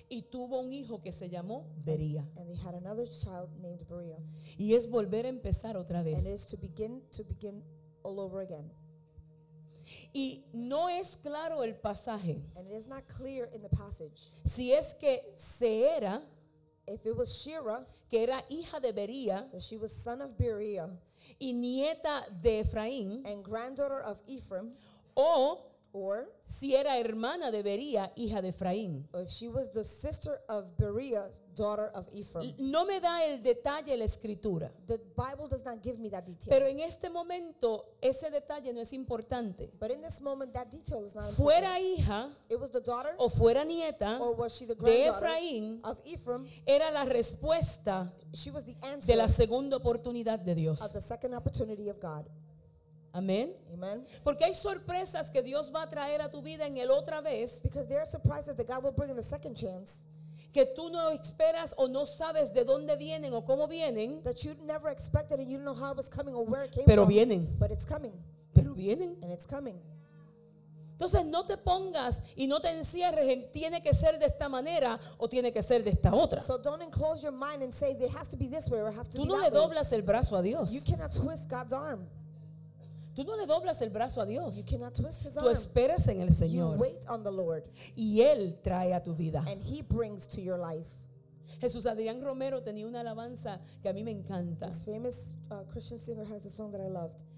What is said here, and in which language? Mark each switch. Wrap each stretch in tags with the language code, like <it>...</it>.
<es>Y tuvo un hijo que se llamó Bería.</es> <en>And they had another child named Bería.</en> <es>Y es volver a empezar otra vez.</es> <en>And it is to begin all over again.</en> <es>Y no es claro el pasaje.</es> <en>And it is not clear in the passage.</en> <es>Si es que se era,</es> <en>if it was Shira,</en> <es>que era hija de Bería,</es> <en>she was son of Bería,</en> <es>y nieta de Efraín,</es> <en>and granddaughter of Ephraim,</en> <es>o</es> <en>or,</en> <es>si era hermana de Bería, hija de Efraín,</es> <en>or if she was the sister of Bería, daughter of Ephraim.</en> <es>No me da el detalle la escritura.</es> <en>The Bible does not give me that detail.</en> <es>Pero en este momento ese detalle no es importante.</es> <en>But in this moment that detail is not important.</en> <es>Fuera hija,</es> <en>it was the daughter,</en> <es>o fuera nieta,</es> <en>or was she the granddaughter</en> <es>de Efraín,</es> <en>of Ephraim,</en> <es>era la respuesta,</es> <en>she was the answer,</en> <es>de la segunda oportunidad de Dios.</es> <en>Of the second opportunity of God.</en> <es>Amén.</es> <en>Amen.</en> <es>Porque hay sorpresas que Dios va a traer a tu vida en el otra vez.</es> <en>Because there are surprises that God will bring in the second chance.</en> <es>Que tú no esperas o no sabes de dónde vienen o cómo vienen.</es> <en>That you never expected and you don't know how it was coming or where it came</en> <es>pero Pero vienen.</es> <en>But it's coming.</en> <es>Pero vienen.</es> <en>And it's coming.</en> <es>Entonces no te pongas y no te encierres en tiene que ser de esta manera o tiene que ser de esta otra.</es> <en>So don't enclose your mind and say it has to be this way or it has to</en> <es>tú</es> <en>be</en> <es>no</es> <en>that</en> <es>le doblas</es> <en>way.</en> <es>El brazo a Dios.</es> <en>You cannot twist God's arm.</en> <es>Tú no le doblas el brazo a Dios.</es> <en>You cannot twist his arm.</en> <es>Tú esperas en el Señor.</es> <en>You wait on the Lord.</en> <es>Y Él trae a tu vida.</es> <en>And he brings to your life.</en> <es>Jesús Adrián Romero tenía una alabanza que a mí me encanta.</es> <en>This famous Christian singer has a song that I loved.</en>